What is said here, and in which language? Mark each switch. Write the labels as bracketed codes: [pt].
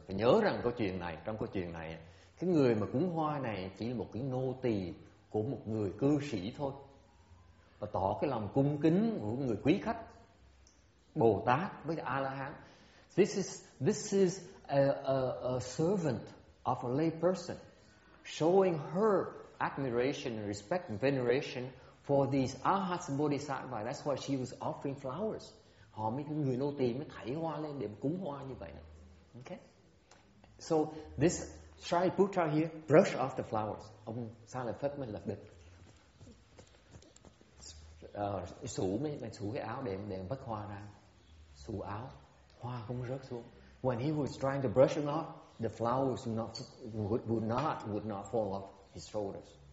[vi] Phải nhớ rằng trong câu chuyện này, cái người mà cúng hoa này chỉ là một cái nô tỳ của một người cư sĩ thôi. Và tỏ cái lòng cung kính của người quý khách, Bồ Tát với A-la-hán. [en] This is a servant of a lay person, showing her admiration, respect, and veneration for these arhats and bodhisattvas. That's why she was offering flowers. [vi] Họ mới người nô tỳ mới thảy hoa lên để cúng hoa như vậy. Okay. [en] So this Shariputra here brush off the flowers. [vi] Ông Xá Lợi Phất mới lập tức sủ cái áo để vắt hoa ra, sủ áo, hoa không rớt xuống. [en] When he was trying to brush it off, the flowers would not fall off his shoulders.